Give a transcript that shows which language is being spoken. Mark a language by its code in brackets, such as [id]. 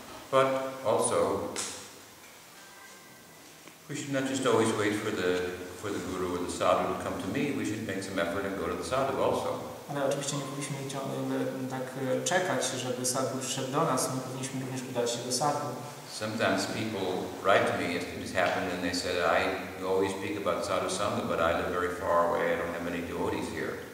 [en] But also, we should not just always wait for the guru or the sadhu to come to me. We should make some effort and go to the sadhu also. [pl] Ale oczywiście nie powinniśmy ciągle tak czekać, żeby sadhu przyszedł do nas. My powinniśmy również udać się do sadhu. [en] Sometimes people write to me, if it has happened, and they said, I always speak about sadhu sangha, but I live very far away, I don't have any devotees here.